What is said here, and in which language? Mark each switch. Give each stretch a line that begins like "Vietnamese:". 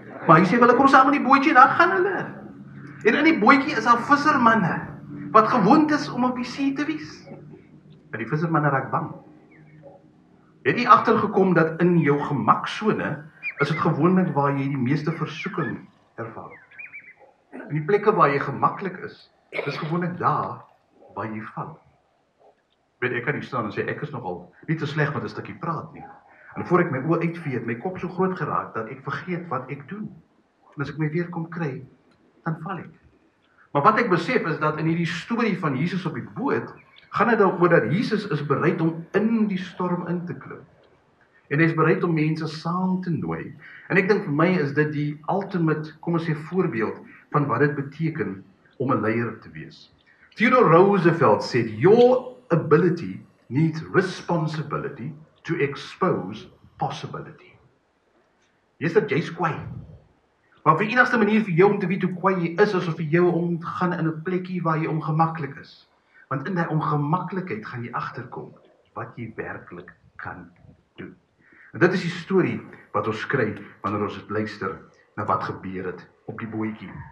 Afrikaans: Maar hy sê, hulle kom saam in die bootjie, daar gaan hulle. En in die bootjie is al vissermanne, wat gewoond is om op die see te wees. En die vissermanne raak bang. Het jy agtergekom dat in jou gemaksone, is het gewoonlik waar jy die meeste versoeking ervaar? In die plekke waar jy gemakkelijk is, is gewoonlik daar waar jy val. Weet, ek kan nie staan en sê, ek is nogal nie te sleg met een stukkie praat nie. En voor ek my oor uitvee, het my kop so groot geraak, dat ek vergeet wat ek doen. En as ek my weer kom kry, dan val ek. Maar wat ek besef is, dat in die story van Jesus op die boot, gaan het oor dat Jesus is bereid om in die storm in te klim. En hy is bereid om mense saam te nooi. En ek denk vir my is dit die ultimate, kom ons sê voorbeeld, van wat het beteken om 'n leier te wees.
English: Theodore Roosevelt sê, your ability needs responsibility to expose possibility.
Afrikaans: Jy is dat jy is kwaai. Maar vir enigste manier vir jou om te weet hoe kwaai jy is, is of vir jou om te gaan in 'n plekkie waar jy ongemaklik is. Want in die ongemaklikheid gaan jy agterkom wat jy werklik kan doen. En dit is die story wat ons kry wanneer ons luister na wat gebeur het op die bootjie.